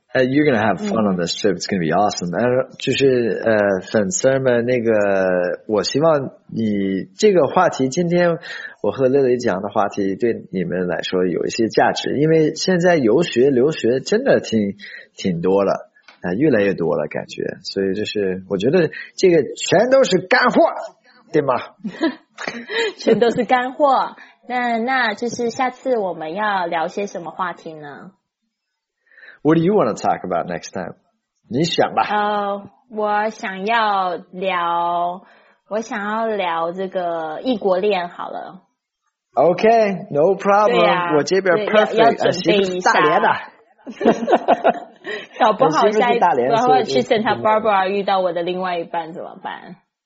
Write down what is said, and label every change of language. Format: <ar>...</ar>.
<en>You're gonna have fun on this trip. It's gonna be awesome.</en> <zh>就是粉丝们，那个我希望你这个话题，今天我和乐乐讲的话题对你们来说有一些价值，因为现在游学留学真的挺多了，越来越多了感觉，所以就是我觉得这个全都是干货，对吗？全都是干货。那就是下次我们要聊些什么话题呢？</zh> <en>What do you want to talk about next time?</en> <zh>你想吧。我想要聊这个异国恋好了。</zh> <en>OK, no problem.、啊、</en> <zh>我这边 perfect, 要准备一下。大连的。搞不好下一次然后去 Santa Barbara 遇到我的另外一半怎么办？</zh>